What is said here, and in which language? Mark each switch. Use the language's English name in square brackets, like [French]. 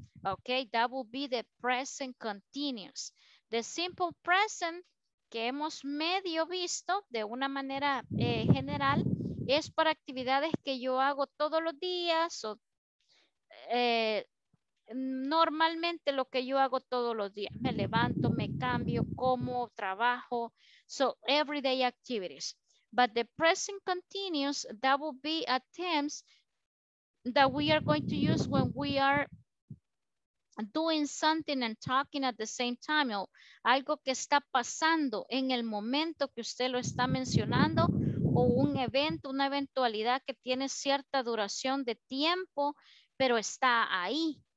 [English] Okay, that will be the present continuous. The simple present [Spanish] que hemos medio visto de una manera general es para actividades que yo hago todos los días. O, normalmente lo que yo hago todos los días, me levanto, me cambio, como, trabajo. [English] So, everyday activities. But the present continuous, that will be a tense that we are going to use when we are doing something and talking at the same time. [Spanish] O algo que está pasando en el momento que usted lo está mencionando, o un evento, una eventualidad que tiene cierta duración de tiempo, pero está ahí.